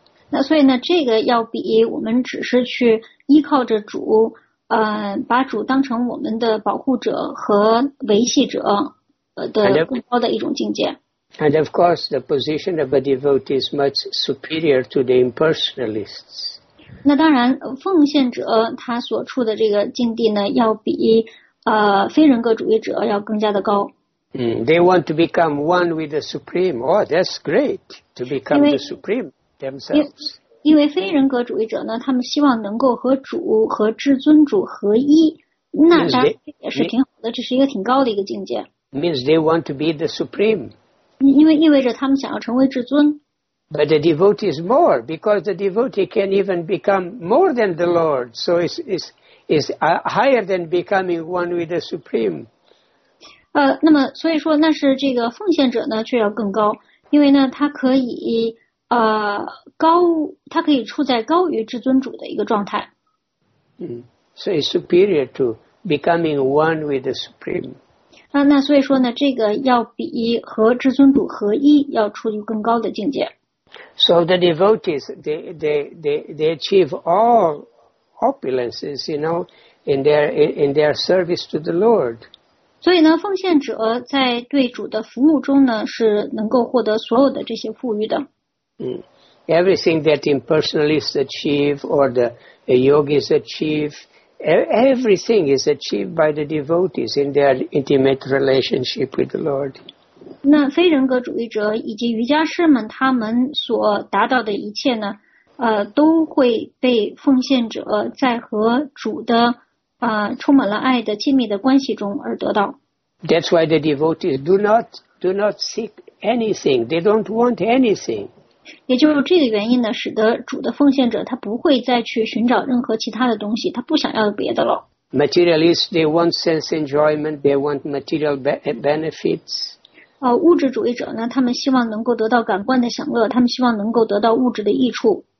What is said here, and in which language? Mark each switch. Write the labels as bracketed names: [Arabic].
[Chinese] 那所以呢，这个要比我们只是去依靠着主，把主当成我们的保护者和维系者的更高的一种境界。 [English] And of course, the position of a devotee is much superior to the impersonalists. [Chinese] 那当然，奉献者他所处的这个境地呢，要比非人格主义者要更加的高。 [English] They want to become one with the supreme. Oh, that's great to become the supreme themselves. [Chinese] 因为非人格主义者呢，他们希望能够和主和至尊主合一，那当然也是挺好的，这是一个挺高的一个境界。 [English] Means they want to be the supreme. [Chinese] 因为意味着他们想要成为至尊。 [English] But the devotee is more, because the devotee can even become more than the Lord, so it's higher than becoming one with the Supreme. [Chinese] 那么所以说，那是这个奉献者呢，却要更高，因为呢，他可以高，他可以处在高于至尊主的一个状态。 [English] So it's superior to becoming one with the Supreme. [Chinese] 那所以说呢，这个要比和至尊主合一要处于更高的境界。 [English] So the devotees, they achieve all opulences, you know, in their service to the Lord. [Chinese] 所以呢，奉献者在对主的服务中呢，是能够获得所有的这些富裕的。 [English] Everything that impersonalists achieve or the yogis achieve. Everything is achieved by the devotees in their intimate relationship with the Lord. [Chinese] 那非人格主义者以及瑜伽师们他们所达到的一切呢，都会被奉献者在和主的充满了爱的亲密的关系中而得到。 [English] That's why the devotees do not seek anything. They don't want anything. [Chinese] 也就是这个原因呢，使得主的奉献者他不会再去寻找任何其他的东西，他不想要别的了。 [English] Materialists, they want sense enjoyment, they want material benefits. [Chinese] 物质主义者呢，他们希望能够得到感官的享乐，他们希望能够得到物质的益处。